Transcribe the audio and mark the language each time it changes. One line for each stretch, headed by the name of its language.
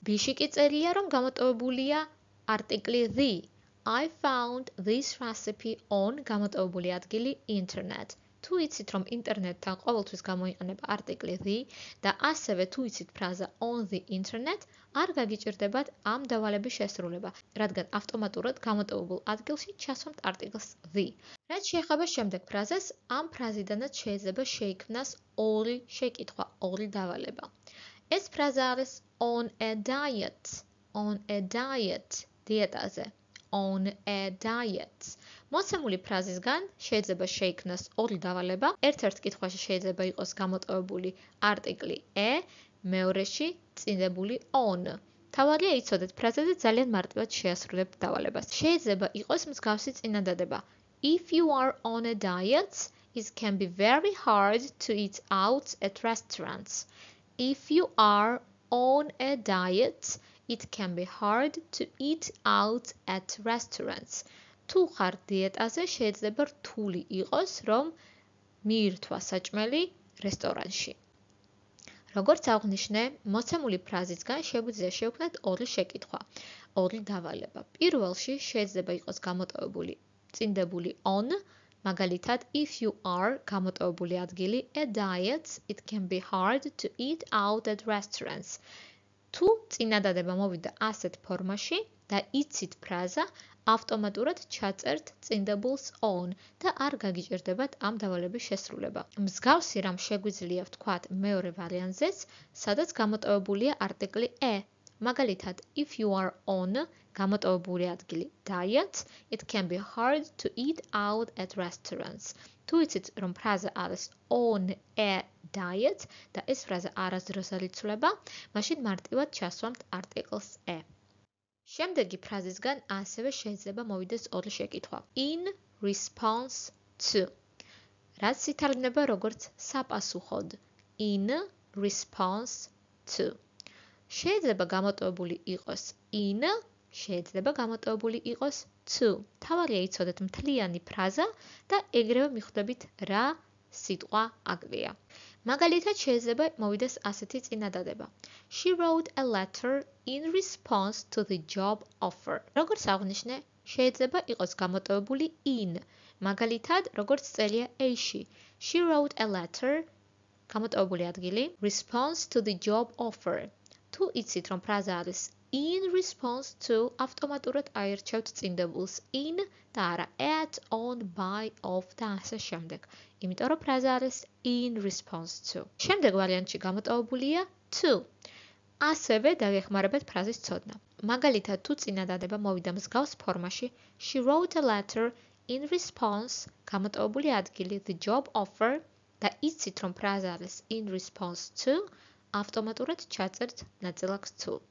Georgian: B-ში კი წერია, რომ გამოტოვებულია არტიკლი the.
English: I found this recipe on
Georgian: გამოტოვებული ადგილი
English: internet.
Georgian: თუ იცით, რომ ინტერნეტთან ყოველთვის გამოიყენება არტიკლი the და ასევე თუ იცით ფრაზა on the internet, არ გაგიჭირდებათ ამ დავალების შესრულება, რადგან ავტომატურად გამოტოვებულ ადგილში ჩასვამთ არტიკლს the. რაც შეეხება შემდეგ ფრაზას, ამ ფრაზიდანაც შეიძლება შეიქმნას ორი შეკითხვა, ორი დავალება. ეს ფრაზა არის
English: on a diet, on a diet,
Georgian: დიეტაზე.
English: On a diet.
Georgian: მოცემული ფრაზისგან შეიძლება შეიქმნას ორი დავალება. ერთ-ერთ კითხვაში შეიძლება იყოს გამოტოვებული არტიკლი a, მეორეში წინდებული on. თავარია იცოდეთ ფრაზაზე ძალიან მარტივად შეასრულებთ დავალებას. შეიძლება იყოს მსგავსი წინადადება.
English: If you are on a diet, it can be very hard to eat out at restaurants. If you are on a diet, it can be hard to eat out at restaurants.
Georgian: თუ ხარ დიეტაზე, შეიძლება რთული იყოს, რომ მიირთვა საჭმელი რესტორანში. როგორც აღნიშნე, მოცემული ფრაზისგან შეგვიძლია შევქმნათ ორი შეკითხვა, ორი დავალება. პირველში შეიძლება იყოს გამოტოვებული წინდებული on, მაგალითად,
English: if you are
Georgian: გამოტოვებული ადგილი
English: a diet, it can be hard to eat out at restaurants.
Georgian: თუ წინადადება მოვიდა ასეთ ფორმაში და იცით ფრაზა, ავტომატურად ჩაწერთ წინდებულს on და არ გაგიჭირდებათ ამ დავალების შესრულება. მსგავსი რამ შეგვიძლია ვთქვათ მეორე ვარიანზეც, სადაც გამოტოვებულია არტიკლი a. მაგალითად,
English: if you are on
Georgian: გამოტოვებული ადგილი
English: diet, it can be hard to eat out at restaurants.
Georgian: თუ იცით, რომ ფრაზა არის on a diet და ეს ფრაზა არასდროს არ იცვლება, მაშინ მარტივად ჩასვამთ არტიკლს a. შემდეგი ფრაზისგან ასევე შეიძლება მოვიდეს ორი შეკითხვა.
English: In response to.
Georgian: რაც ითარგმნება როგორც საპასუხოდ. In response to. შეიძლება გამოტოვებული იყოს in, შეიძლება გამოტოვებული იყოს to. თავარია იცოდეთ მთლიანი ფრაზა და ეგრევე მიხვდებით რა სიტყვა აგვია. მაგალითად შეიძლება მოვიდეს ასეთი წინადადება.
English: She wrote a letter in response to the job offer.
Georgian: როგორც აღნიშნე, შეიძლება იყოს გამოტოვებული in. მაგალითად, როგორც წერია a-ში.
English: She wrote a letter
Georgian: გამოტოვებული ადგილი
English: response to the job offer.
Georgian: თუ იცით, რომ ფრაზა არის in response to, ავტომატურად აირჩევთ წინდებულს in და არა at, on, by, of და ასე შემდეგ. იმიტომ რომ ფრაზა არის in response to. შემდეგ ვარიანტში გამოტოვებულია to. ასევე დაგეხმარებათ ფრაზის ცოდნა. მაგალითად, თუ წინადადება მოვიდა მსგავს ფორმაში,
English: she wrote a letter in response,
Georgian: გამოტოვებული ადგილი
English: the job offer
Georgian: და იცით, რომ ფრაზა არის in response to, ავტომატურად ჩაწერთ ნაწილაკს to.